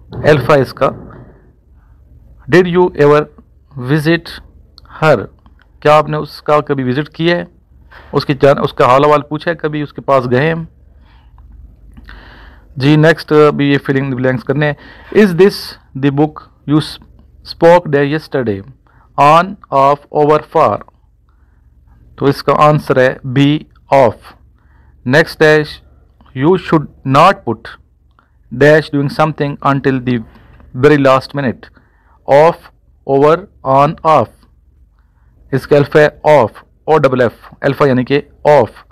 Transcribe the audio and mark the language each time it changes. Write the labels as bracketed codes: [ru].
[ur] Alpha اس کا [en] did you ever visit her, [ur] کیا آپ نے اس کا کبھی وزٹ کیا ہے, اس کی جان, اس کا حال احوال پوچھا ہے کبھی, اس کے پاس گئے ہیں. جی نیکسٹ بھی یہ [en] filling blanks [ur] کرنے ہیں. [en] Is this the book you spoke day yesterday on, off, over, for. [ur] تو اس کا آنسر ہے be, of. [en] Next dash you should not put dash doing something until the very last minute, off, over, on, off. [ur] اس کا alpha ہے of, O double F, alpha یعنی کہ of.